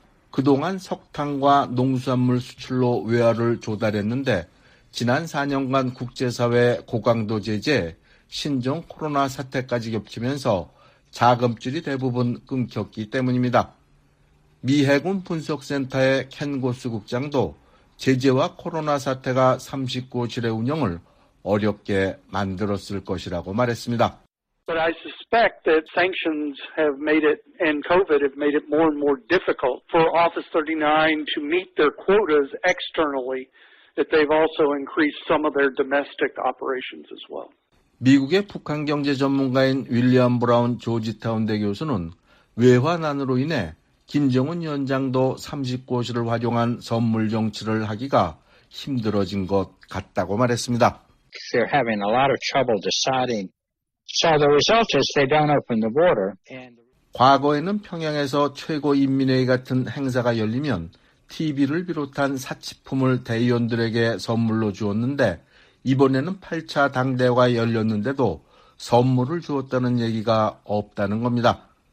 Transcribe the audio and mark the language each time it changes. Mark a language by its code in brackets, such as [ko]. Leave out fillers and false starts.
[ko] 그동안 석탄과 농수산물 수출로 외화를 조달했는데 지난 4년간 국제사회 고강도 제재, 신종 코로나 사태까지 겹치면서 자금줄이 대부분 끊겼기 때문입니다. 미 해군 분석센터의 켄고스 국장도 제재와 코로나 사태가 39호실의 운영을 어렵게 만들었을 것이라고 말했습니다. [en] But I suspect that sanctions have made it, and COVID have made it more and more difficult for Office 39 to meet their quotas externally, that they've also increased some of their domestic operations as well. [ko] 미국의 북한 경제 전문가인 윌리엄 브라운 조지타운 대 교수는 외화난으로 인해 김정은 위원장도 39호실을 활용한 선물 정치를 하기가 힘들어진 것 같다고 말했습니다. [en] They're having a lot of trouble deciding. So the result is they don't open the border. [ko] 과거에는 평양에서 최고인민회의 같은 행사가 열리면 TV를 비롯한 사치품을 대의원들에게 선물로 주었는데 이번에는 8차 당대회가 열렸는데도 선물을 주었다는 얘기가 없다는 겁니다.